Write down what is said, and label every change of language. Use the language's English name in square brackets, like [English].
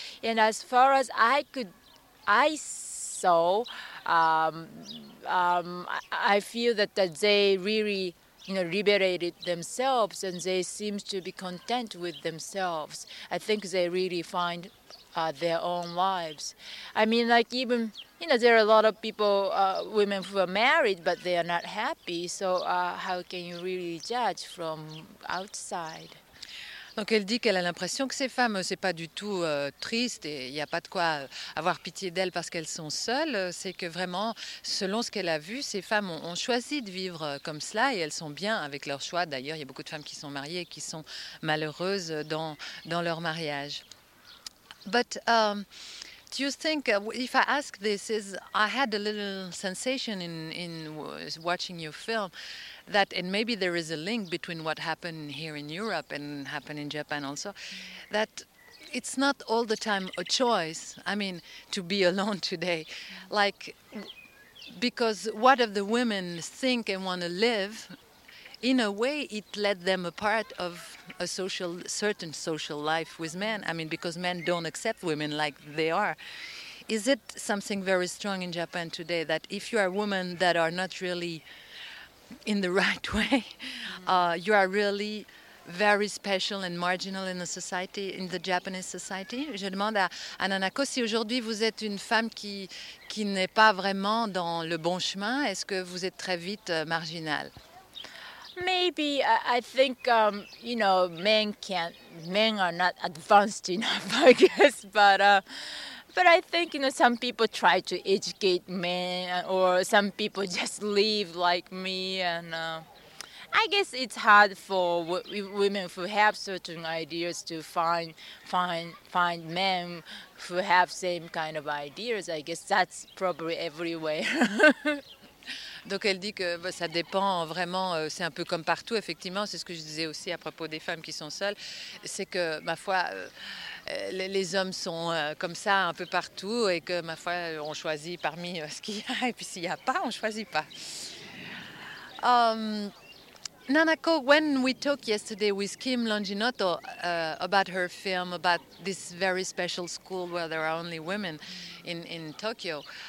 [English] And as far as I feel that they really, liberated themselves, and they seem to be content with themselves. I think they really find their own lives. I mean, like even, there are a lot of people, women who are married, but they are not happy. So how can you really judge from outside? [French] Donc elle dit qu'elle a l'impression que ces femmes, c'est pas du tout triste et il n'y a pas de quoi avoir pitié d'elles parce qu'elles sont seules. C'est que vraiment, selon ce qu'elle a vu, ces femmes ont choisi de vivre comme cela et elles sont bien avec leur choix. D'ailleurs, il y a beaucoup de femmes qui sont mariées et qui sont malheureuses dans leur mariage. [English] But do you think, if I ask this, is I had a little sensation in watching your film, that, and maybe there is a link between what happened here in Europe and happened in Japan also, that it's not all the time a choice, to be alone today. Like, because what if the women think and want to live, in a way it led them a part of a certain social life with men, because men don't accept women like they are. Is it something very strong in Japan today, that if you are a woman that are not really in the right way, you are really very special and marginal in the society, in the Japanese society? [French] Je demande à Nanako si aujourd'hui vous êtes une femme qui n'est pas vraiment dans le bon chemin, est-ce que vous êtes très vite marginale? [English] Maybe I think men are not advanced enough, I guess, but I think, some people try to educate men, or some people just live like me, and I guess it's hard for women who have certain ideas to find men who have same kind of ideas. I guess that's probably everywhere. [French] Donc elle dit que ça dépend vraiment, c'est un peu comme partout, effectivement, c'est ce que je disais aussi à propos des femmes qui sont seules, c'est que, ma foi, les hommes sont comme ça un peu partout et que, ma foi, on choisit parmi ce qu'il y a et puis s'il n'y a pas, on ne choisit pas. [English] Nanako, when we talked yesterday with Kim Longinotto about her film, about this very special school where there are only women in Tokyo,